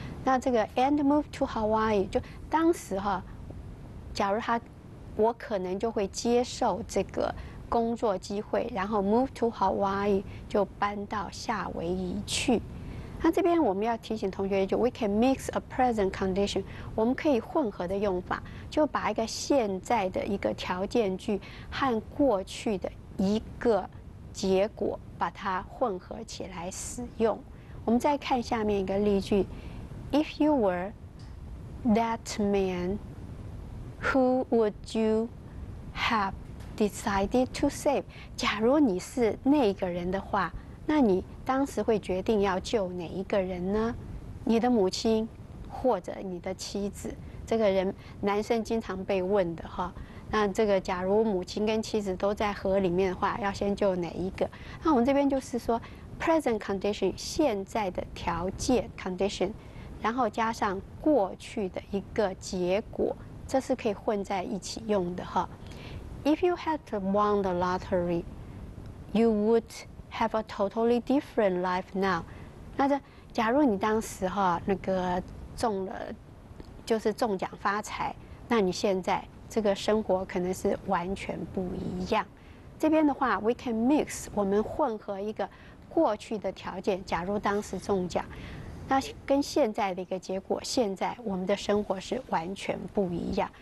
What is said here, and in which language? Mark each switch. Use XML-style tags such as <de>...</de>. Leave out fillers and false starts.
<zh>那这个</zh> <en>and move to Hawaii,</en> <zh>就当时哈，假如他我可能就会接受这个工作机会，然后</zh> <en>move to Hawaii</en> <zh>就搬到夏威夷去。那这边我们要提醒同学，就</zh> <en>we can mix a present condition,</en> <zh>我们可以混合的用法，就把一个现在的一个条件句和过去的一个结果把它混合起来使用。我们再看下面一个例句</zh> <en>：If you were that man, who would you have decided to save？</en> <zh>假如你是那个人的话，那你当时会决定要救哪一个人呢？你的母亲，或者你的妻子？这个人，男生经常被问的哈。那这个假如母亲跟妻子都在河里面的话，要先救哪一个？那我们这边就是说 present condition 现在的条件 condition， 然后加上过去的一个结果，这是可以混在一起用的哈。</zh> <en>If you had won the lottery, you would have a totally different life now。</en> <zh>那这假如你当时哈那个中了，就是中奖发财，那你现在这个生活可能是完全不一样。这边的话 ，</zh> <en>we can mix，</en> <zh>我们混合一个过去的条件，假如当时中奖，那跟现在的一个结果，现在我们的生活是完全不一样。</zh>